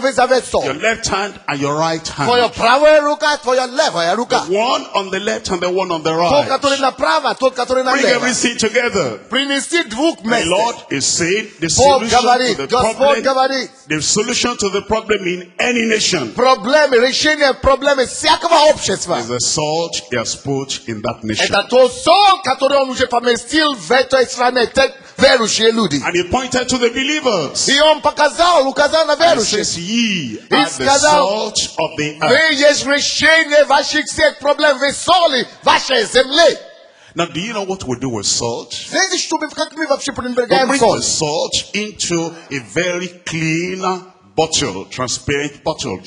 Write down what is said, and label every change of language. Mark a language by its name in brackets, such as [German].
[English] left hand and your right hand. For your [Russian] prawe ruka, [English] for your left [Russian] ruka. [English] The one on the left and the one on the right. Bring everything together. Bring it the Lord is saying the solution to the problem. The solution to the problem in any nation. [Russian] Problem, решение проблемы всякого общества. [English] Is the salt he has put in that nation. [Russian] Это то соль, которое он уже поместил в этой стране. [English] And he pointed to the believers. He [Russian] показал, указал на верующих. [English] He says, ye are the salt of the earth. Now, do you know what we do with salt? Bring the salt into a very clean bottle, transparent bottle glass.